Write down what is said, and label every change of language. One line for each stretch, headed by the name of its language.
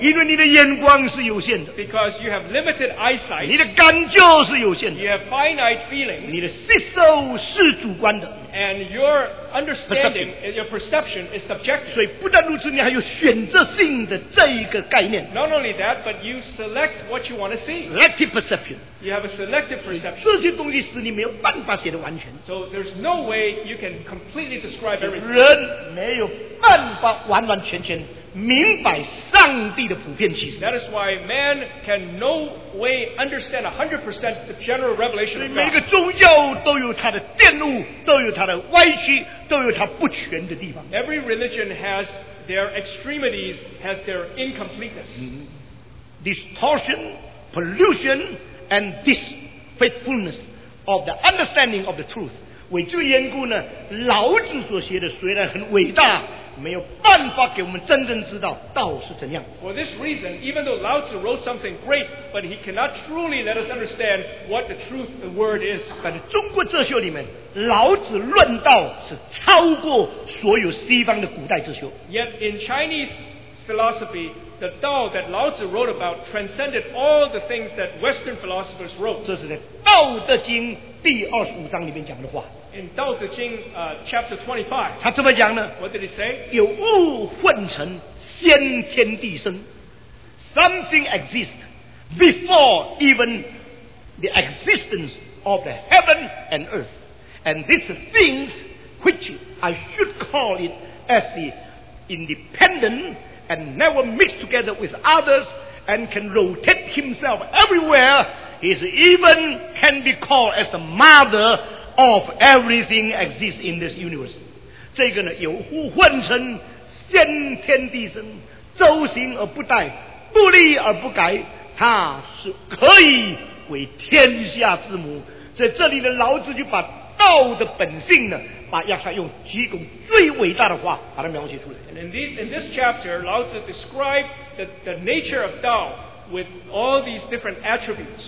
Chinese: 因为你的眼光是有限的。
English: Because you have limited eyesight.
Chinese: 你的感觉是有限的。
English: You have finite feelings.
Chinese: 你的吸收是主观的。
English: And your understanding, your perception is subjective.
Chinese: 所以不但如此，你还有选择性的这一个概念。
English: Not only that, but you select what you want to see. Selective perception. You have a selective perception.
Chinese: 这些东西使你没有办法写得完全。
English: So there's no way you can completely describe everything.
Chinese: 人没有办法完完全全明白上帝的普遍启示。
English: That is why man can no way understand 100% the general revelation of God.
Chinese: 所以每个宗教都有它的玷污，都有它的歪曲，都有它不全的地方。
English: Every religion has their extremities, has their incompleteness. Distortion, pollution, and disfaithfulness of the understanding of the truth.
Chinese: 为这缘故呢，老子所写的虽然很伟大，没有办法给我们真正知道道是怎样。
English: For this reason, even though Lao Tzu wrote something great, but he cannot truly let us understand what the truth, the word is.
Chinese: 但是中国哲学里面，老子论道是超过所有西方的古代哲学。
English: Yet in Chinese philosophy, the Tao that Lao Tzu wrote about transcended all the things that Western philosophers wrote.
Chinese: 这是在《道德经》第二十五章里面讲的话。
English: In Tao Te Ching, chapter 25,
Chinese: 他这么讲呢,
English: what did he say?
Chinese: 有物混成先天地生,
English: something exists before even the existence of the heaven and earth. And these things, which I should call it as the independent and never mixed together with others and can rotate himself everywhere, is even can be called as the mother of everything exists in this universe.
Chinese: 这个呢有物混成先天地生周行而不殆不立而不改它是可以为天下之母在这里的老子就把道的本性呢把亚他用几种最伟大的话把它描写出来
English: And in this chapter, Lao Tzu described the nature of Tao with all these different attributes.